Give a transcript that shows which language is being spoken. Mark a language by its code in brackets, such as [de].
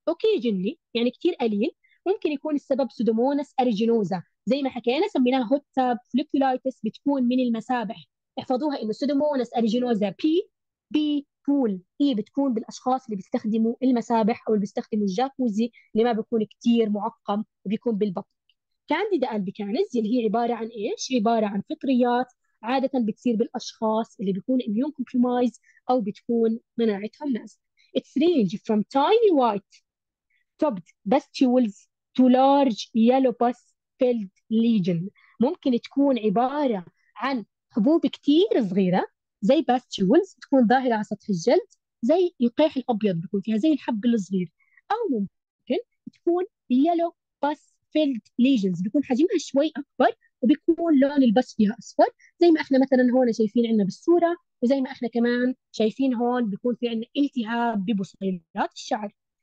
[ar] اوكي جني، يعني كثير قليل، ممكن يكون السبب سودوموناس اريجينوزا، زي ما حكينا سميناها هوت تاب فوليكولايتس، بتكون من المسابح، احفظوها انه سودوموناس اريجينوزا بي بول، هي بتكون بالاشخاص اللي بيستخدموا المسابح او اللي بيستخدموا الجاكوزي اللي ما بيكون كثير معقم وبيكون بالبطن. كانديدا البيكانز اللي هي عباره عن ايش؟ عباره عن فطريات عادة بتصير بالأشخاص اللي بيكون immune compromised أو بتكون مناعتهم نازلة. [en] It's range from tiny white topped pustules to large yellow pus filled lesion. [ar] ممكن تكون عبارة عن حبوب كتير صغيرة زي pustules تكون ظاهرة على سطح الجلد، زي القيح الأبيض بيكون فيها زي الحب الصغير، أو ممكن تكون [en] yellow pus filled lesions [ar] بيكون حجمها شوي أكبر وبيكون لون البس فيها اصفر، زي ما احنا مثلا هون شايفين عندنا بالصوره، وزي ما احنا كمان شايفين هون بيكون في عندنا التهاب ببصيلات الشعر.